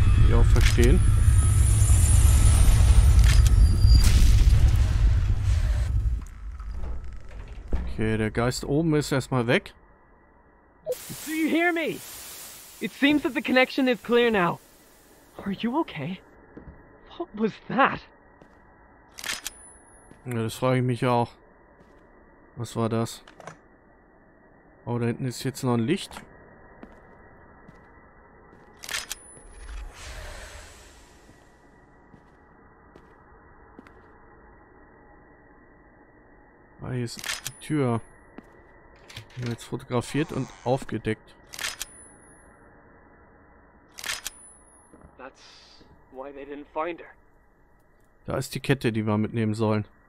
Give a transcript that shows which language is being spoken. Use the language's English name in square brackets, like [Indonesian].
[German] Ja, verstehen. Okay, der Geist oben ist erstmal weg. [English] Do you hear me? It seems that the connection is clear now. Are you okay? What was that? [German] Ja, das frage ich mich auch. Was war das? Oh, da hinten ist jetzt noch ein Licht. Ah, hier ist die Tür. Die wird jetzt fotografiert und aufgedeckt. [English] That's why they didn't find her. [German] Da ist die Kette, die wir mitnehmen sollen.